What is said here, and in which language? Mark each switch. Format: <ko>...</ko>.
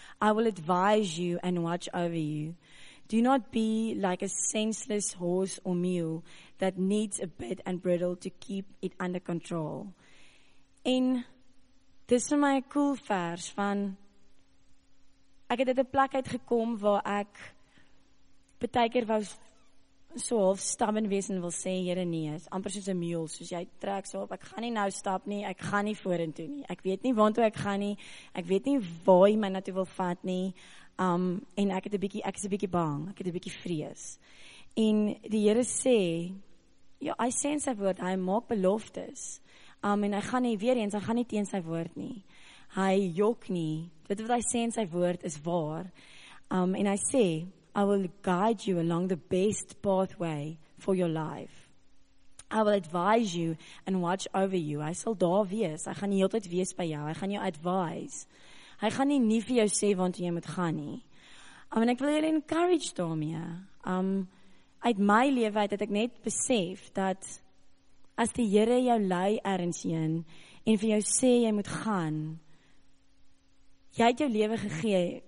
<en>I will advise you and watch over you. Do not be like a senseless horse or mule that needs a bit and bridle to keep it under control."</en> <af>En dis vir my 'n cool vers, van ek het uit 'n plek uitgekom waar ek baie keer wou so half stubborn wees en wil sê, Here, nee, is amper soos 'n mule, soos jy trek so op, ek gaan nie nou stap nie, ek gaan nie vorentoe nie, ek weet nie waantoe ek gaan nie, ek weet nie waar jy my na toe wil vat nie, en ek is 'n bietjie bang, ek het 'n bietjie vrees. En die Here sê, ja, hy sê in sy woord, hy maak beloftes, en hy gaan nie weer eens, hy gaan nie teen sy woord nie, hy jok nie, dit wat hy sê in sy woord is waar.</af> <en>And I say, I will guide you along the best pathway for your life. I will advise you and watch over you.</en> <af>Hy sal daar wees. Hy gaan die hele tyd wees by jou. Hy gaan jou advise. Hy gaan nie nie vir jou sê want jy moet gaan nie. En ek wil jou encourage daarmee. Uit my lewe uit het ek net besef dat as die Here jou lei ergens heen en vir jou sê jy moet gaan, jy het jou lewe gegee.</af>